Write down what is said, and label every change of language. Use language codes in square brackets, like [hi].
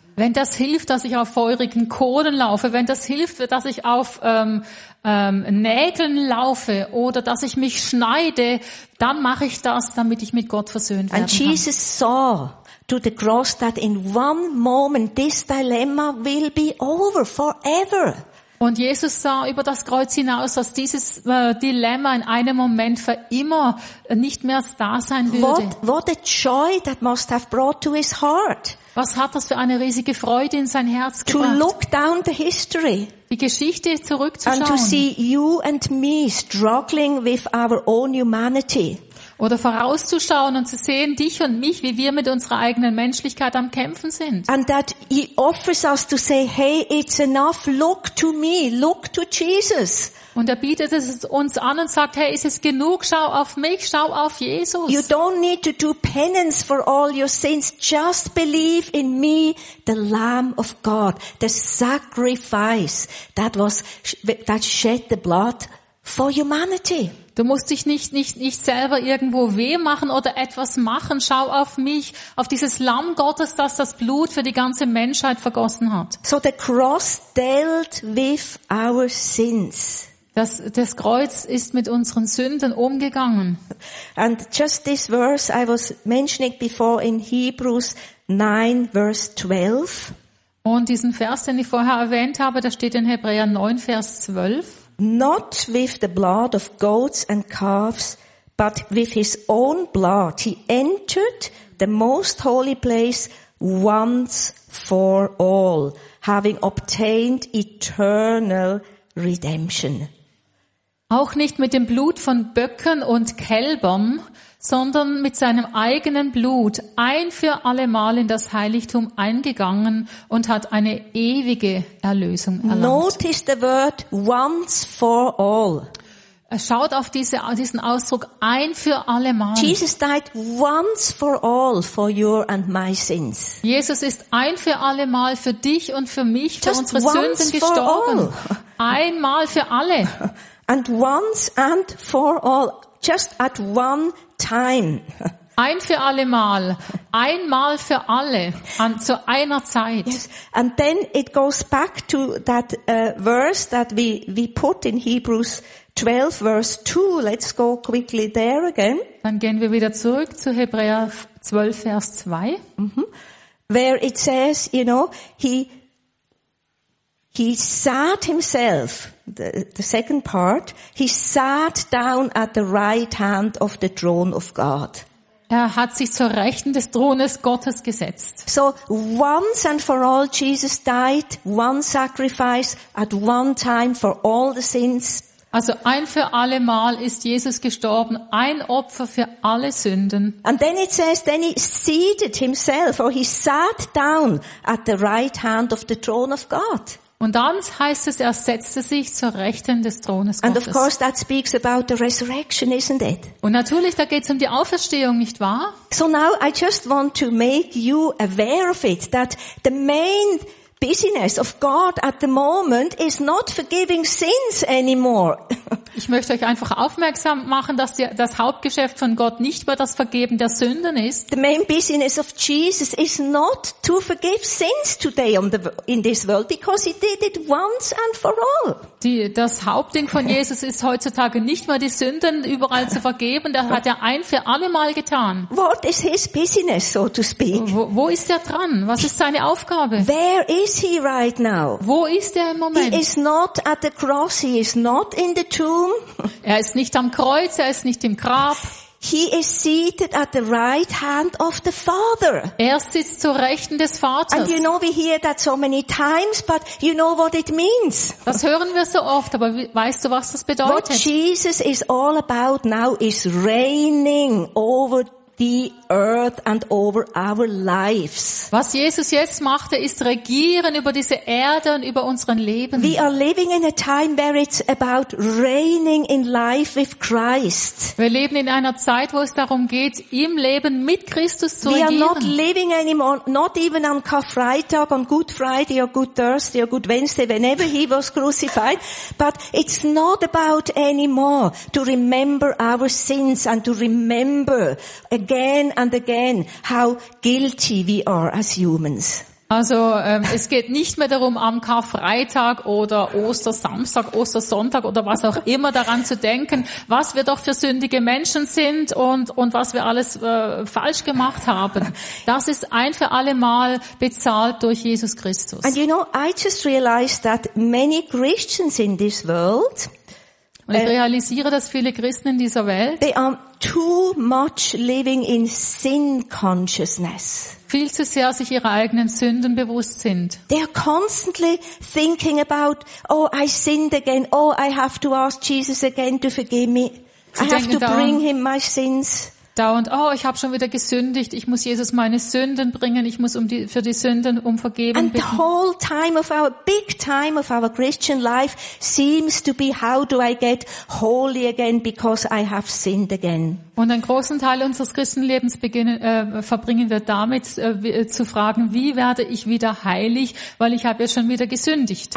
[de] Wenn das hilft, dass ich auf feurigen Kohlen laufe, wenn das hilft, dass ich auf Nägeln laufe oder dass ich mich schneide, dann mache ich das, damit ich mit Gott versöhnt werden kann. [en] And Jesus saw to the cross that in one moment this dilemma will be over forever. [de] Und Jesus sah über das Kreuz hinaus, dass dieses Dilemma in einem Moment für immer nicht mehr da sein würde. [en] What a joy that must have brought to his heart. [de] Was hat das für eine riesige Freude in sein Herz gebracht? [en] To look down the history. [de] Die Geschichte zurückzuschauen. [en] And to see you and me struggling with our own humanity. [de] Oder vorauszuschauen und zu sehen, dich und mich, wie wir mit unserer eigenen Menschlichkeit am Kämpfen sind. [en] And that he offers us to say, hey, it's enough, look to me, look to Jesus. [de] Und er bietet es uns an und sagt, hey, ist es genug, schau auf mich, schau auf Jesus. [en] You don't need to do penance for all your sins, just believe in me, the Lamb of God, the sacrifice that shed the blood for humanity. [de] Du musst dich nicht selber irgendwo weh machen oder etwas machen. Schau auf mich, auf dieses Lamm Gottes, das Blut für die ganze Menschheit vergossen hat. [en] So the cross dealt with our sins. [de] Das Kreuz ist mit unseren Sünden umgegangen. [en] And just this verse I was mentioning before in Hebrews 9 verse 12. [de] Und diesen Vers, den ich vorher erwähnt habe, der steht in Hebräer 9 Vers 12. [en] Not with the blood of goats and calves, but with his own blood, he entered the most holy place once for all, having obtained eternal redemption. [de] Auch nicht mit dem Blut von Böcken und Kälbern, sondern mit seinem eigenen Blut ein für alle Mal in das Heiligtum eingegangen und hat eine ewige Erlösung erlangt. [en] Notice the word once for all. [de] Er schaut auf diesen Ausdruck ein für alle Mal. [en] Jesus died once for all for your and my sins. [de] Jesus ist ein für alle Mal für dich und für mich, für unsere Sünden gestorben. Einmal für alle. [en] And once and for all, just at one time. [de] Ein für alle Mal, einmal für alle, zu einer Zeit. [en] Yes. And then it goes back to that verse that we put in Hebrews 12 verse 2. Let's go quickly there again. [de] Dann gehen wir wieder zurück zu Hebräer 12 Vers 2. Mm-hmm. [en] Where it says, you know, he sat himself, the second part, he sat down at the right hand of the throne of God. [de] Er hat sich zur Rechten des Thrones Gottes gesetzt. [en] So once and for all Jesus died, one sacrifice at one time for all the sins. [de] Also ein für alle Mal ist Jesus gestorben, ein Opfer für alle Sünden. [en] And then it says, then he seated himself, or he sat down at the right hand of the throne of God. [de] Und dann heißt es, er setzte sich zur Rechten des Thrones Gottes. [en] And of course that speaks about the resurrection, isn't it? [de] Und natürlich, da geht's um die Auferstehung, nicht wahr? [en] So now I just want to make you aware of it, that the main business of God at the moment is not forgiving sins anymore. [de] Ich möchte euch einfach aufmerksam machen, dass das Hauptgeschäft von Gott nicht mehr das Vergeben der Sünden ist. [en] The main business of Jesus is not to forgive sins today in this world, because he did it once and for all. [de] Das Hauptding von Jesus ist heutzutage nicht mehr die Sünden überall zu vergeben. Das hat er ein für alle Mal getan. [en] What is his business, so to speak? [de] Wo ist er dran? Was ist seine Aufgabe? [en] Where is he right now? [de] Wo ist er im Moment? [en] He is not at the cross. He is not in the tomb. [de] Er ist nicht am Kreuz, er ist nicht im Grab. [en] He is seated at the right hand of the Father. [de] Er sitzt zur Rechten des Vaters. [en] And you know we hear that so many times, but you know what it means. [de] Das hören wir so oft, aber weißt du, was das bedeutet? [en] What Jesus is all about now is reigning over the earth and over our lives. [de] Was Jesus jetzt machte, ist regieren über diese Erde und über unseren Leben. [en] We are living in a time where it's about reigning in life with Christ. [de] Wir leben in einer Zeit, wo es darum geht, im Leben mit Christus zu regieren. [en] We are not living anymore, not even on Karfreitag, on Good Friday or Good Thursday or Good Wednesday, whenever he was crucified. But it's not about anymore to remember our sins and to remember again and again how guilty we are as humans. [de] Also es geht nicht mehr darum, am Karfreitag oder Ostersamstag, Ostersonntag oder was auch immer daran zu denken, was wir doch für sündige Menschen sind und was wir alles falsch gemacht haben. Das ist ein für alle Mal bezahlt durch Jesus Christus. [en] And you know, I just realized that many Christians in this world, [de] und ich realisiere, dass viele Christen in dieser Welt, [en] they are too much living in sin consciousness, [de] viel zu sehr sich ihrer eigenen Sünden bewusst sind. [en] They are constantly thinking about, oh, I sinned again. Oh, I have to ask Jesus again to forgive me. [de] Sie [en] I have to bring him my sins. [de] Dauernd, oh, ich habe schon wieder gesündigt. Ich muss Jesus meine Sünden bringen. Ich muss für die Sünden um Vergebung bitten. [en] And the whole time of our big time of our Christian life seems to be, how do I get holy again because I have sinned again? [de] Und einen großen Teil unseres Christenlebens verbringen wir damit, zu fragen, wie werde ich wieder heilig, weil ich habe ja schon wieder gesündigt.